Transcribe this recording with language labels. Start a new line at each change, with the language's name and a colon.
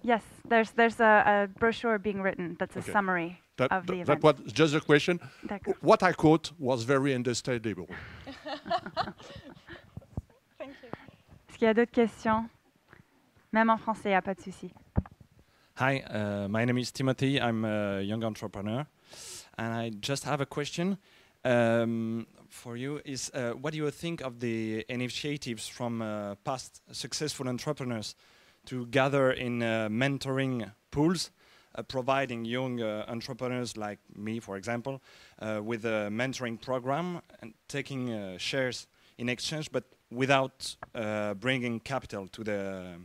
English: Yes, there's a brochure being written that's a summary of the event. That was just a question. What I quote was very understandable. Thank you.
French: Est-ce qu'il y a d'autres questions? Même en français, il n'y a pas de souci.
English: Hi, my name is Timothy. I'm a young entrepreneur. And I just have a question for you. Is what do you think of the initiatives from past successful entrepreneurs to gather in mentoring pools, providing young entrepreneurs like me, for example, with a mentoring program and taking shares in exchange, but without bringing capital to the...